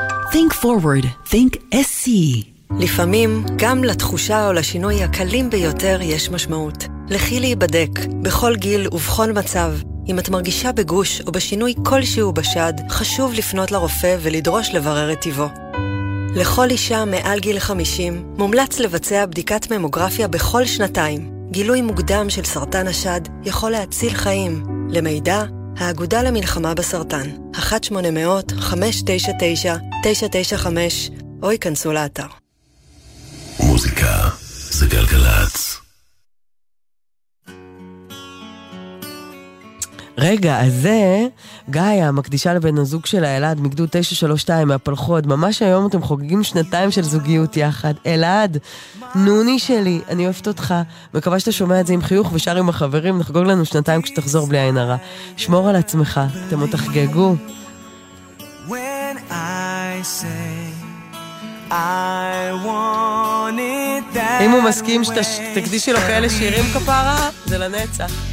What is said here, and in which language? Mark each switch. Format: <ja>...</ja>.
<en>Think forward, think SCE.</en> <he>לפעמים גם לתחושה או לשינוי הקלים ביותר יש משמעות. לכי להיבדק בכל גיל ובכל מצב. אם את מרגישה בגוש או בשינוי כלשהו בשד, חשוב לפנות לרופא ולדרוש לברר את טיבו. לכל אישה מעל גיל 50, מומלץ לבצע בדיקת ממוגרפיה בכל שנתיים. גילוי מוקדם של סרטן השד יכול להציל חיים. למידע, האגודה למלחמה בסרטן, 1-800-599-995, או ייכנסו לאתר. מוזיקה זה גלגלץ. רגע, אז זה גיא, המקדישה לבן הזוג של הילד, מגדוד 932 מהפלחות. ממש היום אתם חוגגים שנתיים של זוגיות יחד. אלעד, נוני שלי, אני אוהבת אותך. מקווה שאתה שומע את זה עם חיוך ושאר עם החברים. נחגוג לנו שנתיים כשתחזור בלי עין הרע. שמור על עצמך, אתם עוד תחגגו.</he> <en>When I say I want it that way.</en> <he>אם הוא מסכים שתקדישי לו כאלה שירים כפרה, זה לנצח.</he>